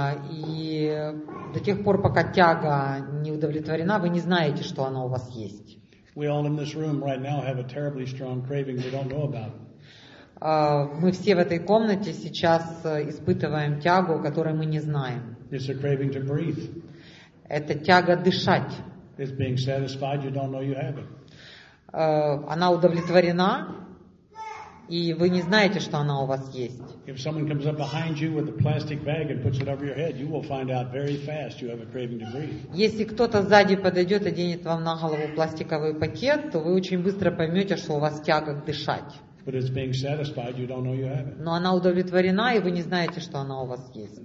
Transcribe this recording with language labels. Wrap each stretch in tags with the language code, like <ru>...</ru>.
<ru>И до тех пор, пока тяга не удовлетворена, вы не знаете, что она у вас есть.</ru> <en>We all in this room right now have a terribly strong craving we don't know about.</en> <ru>Мы все в этой комнате сейчас испытываем тягу, которую мы не знаем.</ru> <en>It's a craving to breathe.</en> <ru>Это тяга дышать.</ru> <en>It's being satisfied, you don't know you have it.</en> <ru>Она удовлетворена, и вы не знаете, что она у вас есть.</ru> <en>If someone comes up behind you with a plastic bag and puts it over your head, you will find out very fast you have a craving to breathe.</en> <ru>Если кто-то сзади подойдет и оденет вам на голову пластиковый пакет, то вы очень быстро поймете, что у вас тяга к дышать.</ru> <en>But it's being satisfied, you don't know you have it.</en> <ru>Но она удовлетворена, и вы не знаете, что она у вас есть.</ru>